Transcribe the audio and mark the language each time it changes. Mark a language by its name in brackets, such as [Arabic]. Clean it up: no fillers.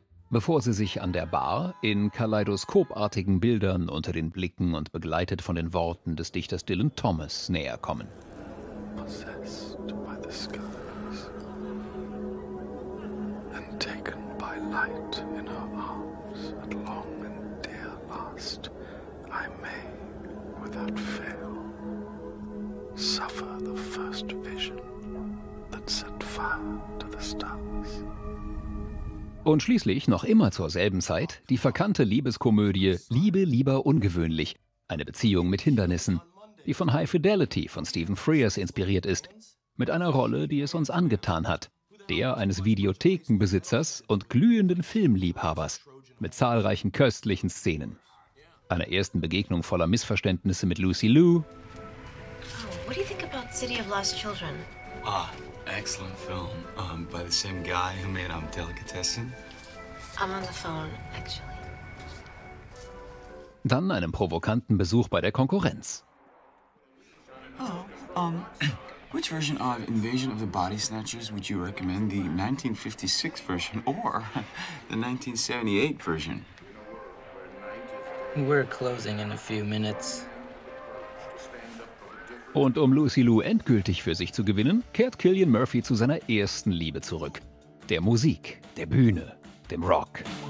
[German] Bevor sie sich an der Bar in kaleidoskopartigen Bildern unter den Blicken und begleitet von den Worten des Dichters Dylan Thomas näher kommen. [English] Possessed by the skies and taken by light in her arms at long and dear last, I may, without fail, suffer the first vision that set fire to the stars. [German] Und schließlich, noch immer zur selben Zeit, die verkannte Liebeskomödie Liebe lieber ungewöhnlich, eine Beziehung mit Hindernissen, die von High Fidelity von Stephen Frears inspiriert ist, mit einer Rolle, die es uns angetan hat, der eines Videothekenbesitzers und glühenden Filmliebhabers, mit zahlreichen köstlichen Szenen, einer ersten Begegnung voller Missverständnisse mit Lucy Liu. [English] Oh, what do you think about City of Lost Children? Ah, excellent film. By the same guy who made Delicatessen. I'm on the phone, actually. [German] Dann einem provokanten Besuch bei der Konkurrenz. [English] Hello. Which version of Invasion of the Body Snatchers would you recommend? The 1956 version or the 1978 version? We're closing in a few minutes. [German] Und um Lucy Liu endgültig für sich zu gewinnen, kehrt Cillian Murphy zu seiner ersten Liebe zurück. Der Musik, der Bühne, dem Rock.